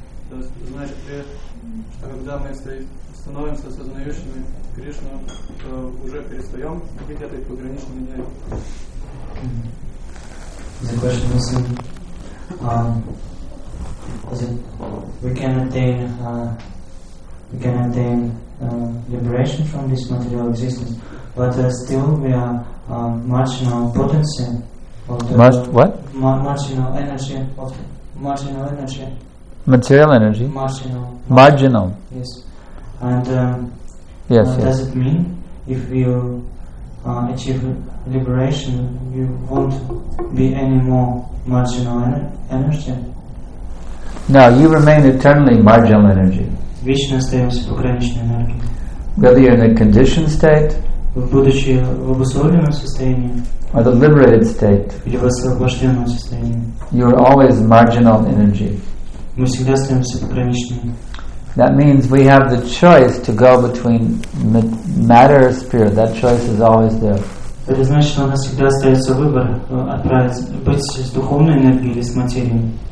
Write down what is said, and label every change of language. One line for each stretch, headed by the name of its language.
Russian: То есть, значит, что когда мы становимся сознающими Кришну, то уже перестаем быть этой пограничной энергией.
English: The question is, we can attain liberation from this material existence, but still we are marginal potency of the marginal energy of marginal energy. Material energy. Marginal. Yes. And Does it mean if you achieve liberation, you won't be any more marginal energy? No, you remain eternally marginal energy.
Russian: Вечно остаешься пограничной энергией.
English: Whether you're in a conditioned state,
Russian: будучи в обусловленном состоянии,
English: or the liberated state,
Russian: или в освобожденном состоянии,
English: you are always marginal energy.
Russian: Мы всегда остаемся пограничными.
English: That means we have the choice to go between matter or spirit. That choice is always there.
Russian: Это значит, что у нас всегда остается выбор быть с духовной энергией или с материей.